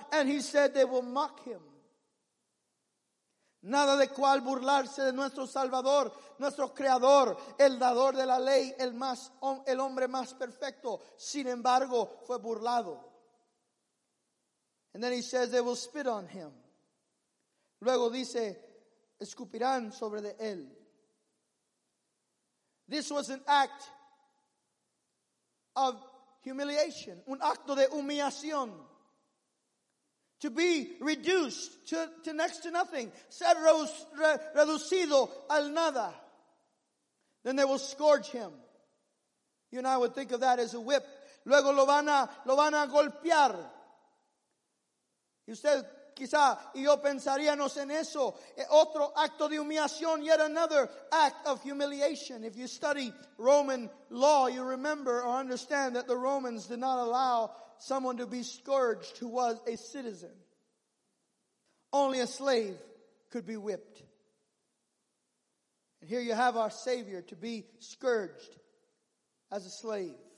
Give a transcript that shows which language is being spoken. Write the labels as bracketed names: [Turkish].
[English] And he said they will mock him. [Spanish] Nada de cual burlarse de nuestro Salvador, nuestro Creador, el dador de la ley, el hombre más perfecto. Sin embargo, fue burlado. [English] And then he says they will spit on him. [Spanish] Luego dice, escupirán sobre de él. [English] This was an act of humiliation, [Spanish] un acto de humillación. [English] to be reduced to next to nothing, [Spanish] ser reducido al nada. [English] Then they will scourge him. You and I would think of that as a whip. [Spanish] Luego lo van a golpear. Y usted quizá y yo pensaríamos en eso. Otro acto de humillación, [English] yet another act of humiliation. If you study Roman law, you remember or understand that the Romans did not allow someone to be scourged who was a citizen. Only a slave could be whipped. And here you have our Savior to be scourged as a slave.